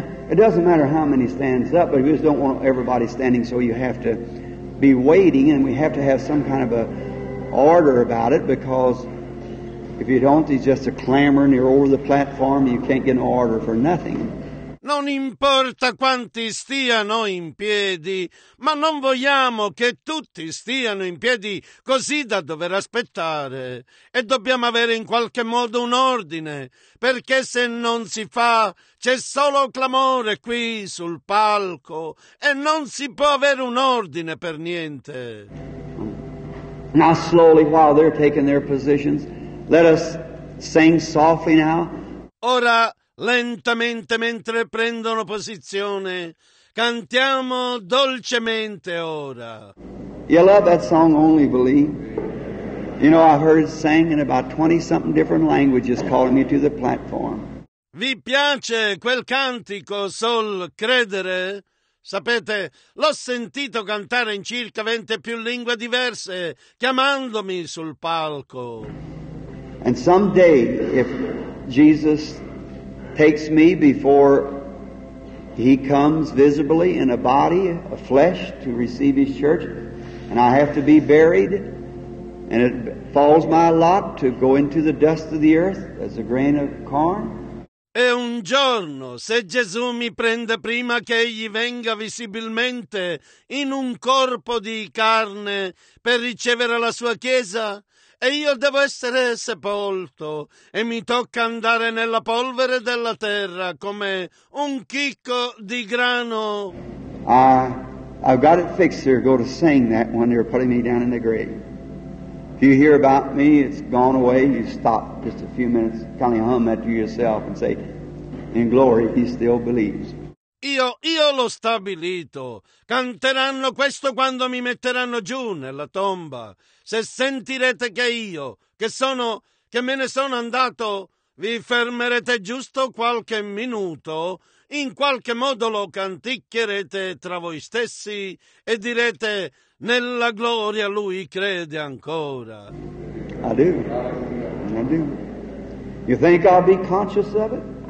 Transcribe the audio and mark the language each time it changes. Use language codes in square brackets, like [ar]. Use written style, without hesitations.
[en] It doesn't matter how many stands up, but we just don't want everybody standing, so you have to be waiting, and we have to have some kind of a order about it, because if you don't, it's just a clamor, and you're over the platform, and you can't get an order for nothing. [it] Non importa quanti stiano in piedi, ma non vogliamo che tutti stiano in piedi così da dover aspettare. E dobbiamo avere in qualche modo un ordine, perché se non si fa, c'è solo clamore qui sul palco e non si può avere un ordine per niente. [en] Now slowly, while they're taking their positions, let us sing softly now. [it] Ora, lentamente, mentre prendono posizione, cantiamo dolcemente ora. [en] You love that song, Only Believe? You know, I heard it sang in about 20-something different languages calling me to the platform. [it] Vi piace quel cantico, Sol Credere? Sapete, l'ho sentito cantare in circa 20 più lingue diverse, chiamandomi sul palco. [en] And someday, if Jesus takes me before he comes visibly in a body of flesh to receive his church, and I have to be buried, and it falls my lot to go into the dust of the earth as a grain of corn. [it] E un giorno, se Gesù mi prende prima che egli venga visibilmente in un corpo di carne per ricevere la sua chiesa, e io devo essere sepolto, e mi tocca andare nella polvere della terra come un chicco di grano. [en] I've got it fixed here. Go to sing that one. They're putting me down in the grave. If you hear about me, it's gone away. You stop just a few minutes, kind of hum that to yourself and say, in glory, he still believes. [it] Io l'ho stabilito. Canteranno questo quando mi metteranno giù nella tomba. Se sentirete che io, che me ne sono andato, vi fermerete giusto qualche minuto, in qualche modo lo canticchierete tra voi stessi e direte, nella gloria lui crede ancora. [en] I do. I do. You think I'll be conscious of it?